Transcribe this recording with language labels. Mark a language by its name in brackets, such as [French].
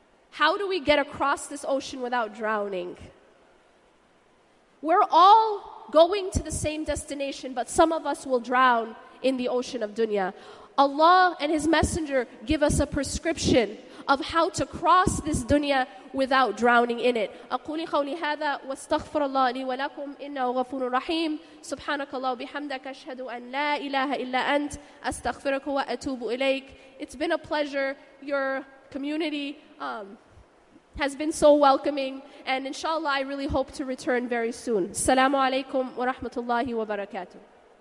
[English] How do we get across this ocean without drowning? We're all going to the same destination, but some of us will drown in the ocean of dunya. Allah and His Messenger give us a prescription of how to cross this dunya without drowning in it. [Arabic] أقول قولي هذا واستغفر الله لي ولكم إنه غفور رحيم سبحانك الله وبحمدك أشهد أن لا إله إلا أنت أستغفرك وأتوب إليك. [English] It's been a pleasure. Your community has been so welcoming, and inshallah I really hope to return very soon. [Arabic] السلام عليكم ورحمة الله وبركاته.